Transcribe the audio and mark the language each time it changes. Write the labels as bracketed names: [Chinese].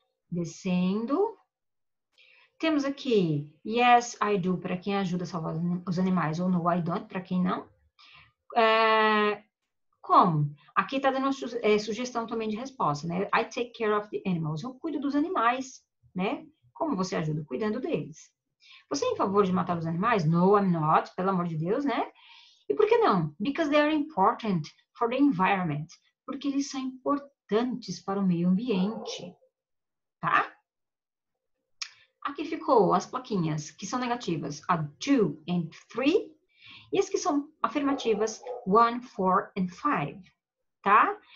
[Portuguese] Descendo. Temos aqui, [English] yes, I do, [Portuguese] para quem ajuda a salvar os animais, ou [English] no, I don't, [Portuguese] para quem não. Como? Aqui tá dando sugestão também de resposta, né? [English] I take care of the animals, [Portuguese] eu cuido dos animais, né? Como você ajuda? Cuidando deles. Você é em favor de matar os animais? [English] No, I'm not, [Portuguese] pelo amor de Deus, né? E por que não? [English] Because they are important for the environment. [Portuguese] Porque eles são importantes para o meio ambiente. Tá? Aqui ficou as plaquinhas que são negativas, a 2 and 3. E as que são afirmativas, 1, 4 and 5. Tá?